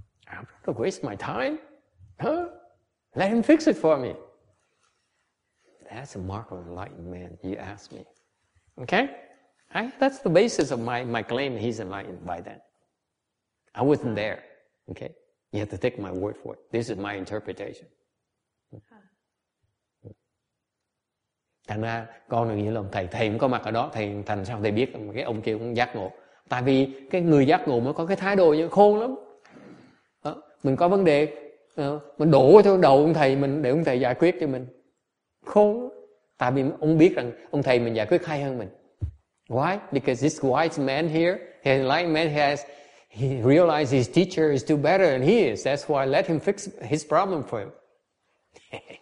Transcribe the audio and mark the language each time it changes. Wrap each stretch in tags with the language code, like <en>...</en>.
<en>I'm not going to waste my time. Huh? Let him fix it for me. That's a mark of enlightenment, you ask me. Okay? That's the basis of my claim he's enlightened by then. I wasn't there. Okay? You have to take my word for it. This is my interpretation.</en> <vi>Thành ra con đừng nghĩ là thầy cũng có mặt ở đó, thầy thành sao thầy biết cái ông kia cũng giác ngộ. Tại vì cái người giác ngộ mới có cái thái độ như khôn lắm. Đó, mình có vấn đề, mình đổ theo đầu ông thầy mình để ông thầy giải quyết cho mình. Khôn. Tại vì ông biết rằng ông thầy mình giải quyết hay hơn mình.</vi> <en>Why? Because this wise man here, his enlightened man, He realizes his teacher is too better than he is. That's why I let him fix his problem for him.</en>